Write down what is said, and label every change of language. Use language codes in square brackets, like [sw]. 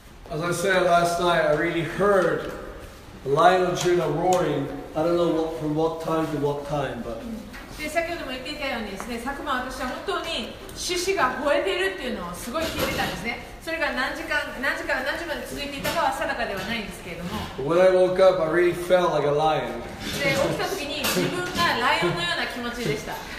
[en] As I said last night, I really heard Lion and Juno roaring. I don't know what, from what time to what time, but. [ja] で先ほども言っていたようにですね、昨晩私は本当に獅子が吠えているっていうのをすごい聞いてたんですね。それが何時間何時まで続いていたかは定かではないんですけれども。 [en] When I woke up, I really felt like a lion. [ja] で起きた時に自分がライオンのような気持ちでした。